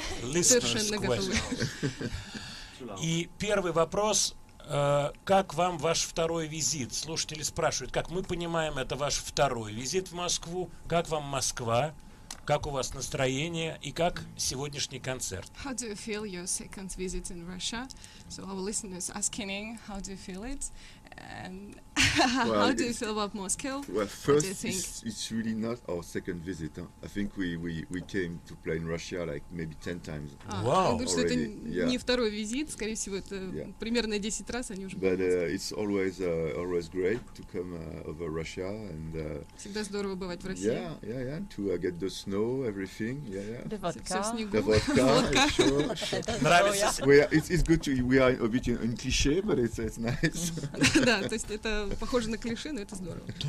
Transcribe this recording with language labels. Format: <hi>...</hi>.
<en>Listeners questions.</en> <ru>И первый вопрос, как вам ваш второй визит? Слушатели спрашивают, как мы понимаем, это ваш второй визит в Москву. Как вам Москва? Как у вас настроение? И как сегодняшний концерт?</ru> <en>How do you feel your second visit in Russia? So our listeners asking, how do you feel it? And how do you feel about Moscow? Well, first, it's really not our second visit. Huh? I think we came to play in Russia like maybe 10 times. Wow.</en> <ru>Говорю, что это не второй визит, скорее всего, это примерно 10 раз они уже были.</ru> <en>But it's always great to come over Russia and.</en> <ru>Всегда здорово бывать в России.</ru> <en>Yeah. To get the snow, everything. Yeah. The vodka. The vodka.</en> <ru>Нравится.</ru> <en>It's good to. We are a bit in cliché, but it's nice.</en> <ru>Да, то есть это похоже на клише, но это здорово.</ru>